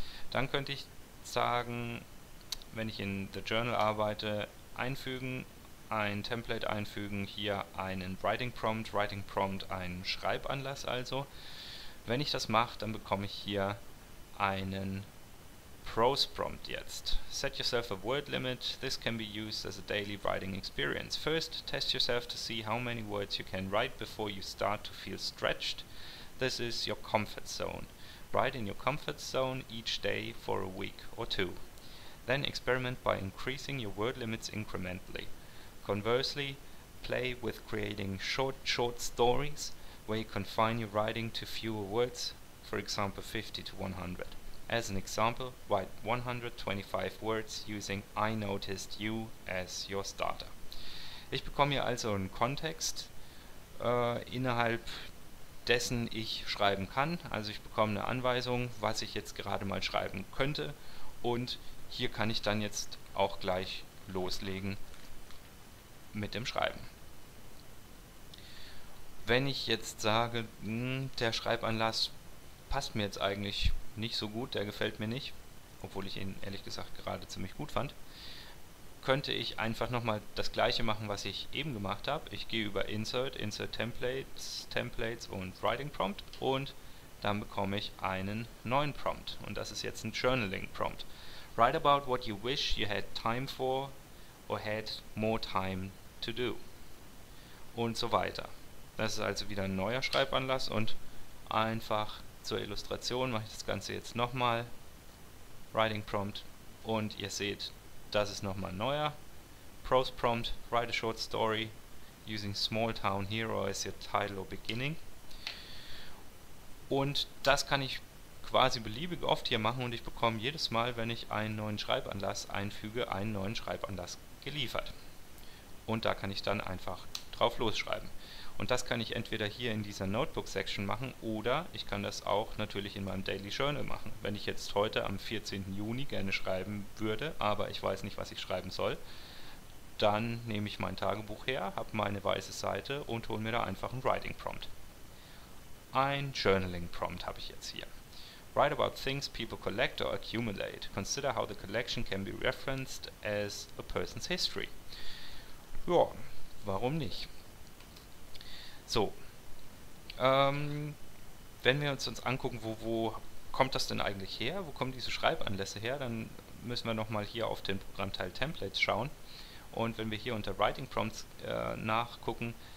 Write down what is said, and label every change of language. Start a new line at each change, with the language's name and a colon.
German: Dann könnte ich sagen, wenn ich in The Journal arbeite, einfügen, ein Template einfügen, hier einen Writing Prompt, einen Schreibanlass also. Wenn ich das mache, dann bekomme ich hier einen Prose Prompt jetzt.
English: Set yourself a word limit. This can be used as a daily writing experience. First, test yourself to see how many words you can write before you start to feel stretched. This is your comfort zone. Write in your comfort zone each day for a week or two. Then experiment by increasing your word limits incrementally. Conversely, play with creating short stories where you confine your writing to fewer words, for example 50 to 100. As an example, write 125 words using I noticed you as your starter.
German: Ich bekomme hier also einen Kontext, innerhalb dessen ich schreiben kann. Also ich bekomme eine Anweisung, was ich jetzt gerade mal schreiben könnte. Und hier kann ich dann jetzt auch gleich loslegen mit dem Schreiben. Wenn ich jetzt sage, der Schreibanlass passt mir jetzt eigentlich nicht so gut, der gefällt mir nicht, obwohl ich ihn ehrlich gesagt gerade ziemlich gut fand, könnte ich einfach nochmal das gleiche machen, was ich eben gemacht habe. Ich gehe über Insert Templates und Writing Prompt und dann bekomme ich einen neuen Prompt und das ist jetzt ein Journaling Prompt.
English: Write about what you wish you had time for or had more time to do.
German: Und so weiter. Das ist also wieder ein neuer Schreibanlass und einfach zur Illustration mache ich das Ganze jetzt nochmal, Writing Prompt, und ihr seht, das ist nochmal neuer, Prose Prompt,
English: write a short story using Small Town Hero as your title or beginning.
German: Und das kann ich quasi beliebig oft hier machen und ich bekomme jedes Mal, wenn ich einen neuen Schreibanlass einfüge, einen neuen Schreibanlass geliefert. Und da kann ich dann einfach drauf losschreiben. Und das kann ich entweder hier in dieser Notebook-Section machen oder ich kann das auch natürlich in meinem Daily Journal machen. Wenn ich jetzt heute am 14. Juni gerne schreiben würde, aber ich weiß nicht, was ich schreiben soll, dann nehme ich mein Tagebuch her, habe meine weiße Seite und hole mir da einfach ein Writing Prompt. Ein Journaling Prompt habe ich jetzt hier.
English: Write about things people collect or accumulate. Consider how the collection can be referenced as a person's history.
German: Ja, warum nicht? So, wenn wir uns angucken, wo kommt das denn eigentlich her, wo kommen diese Schreibanlässe her, dann müssen wir nochmal hier auf den Programmteil Templates schauen. Und wenn wir hier unter Writing Prompts nachgucken,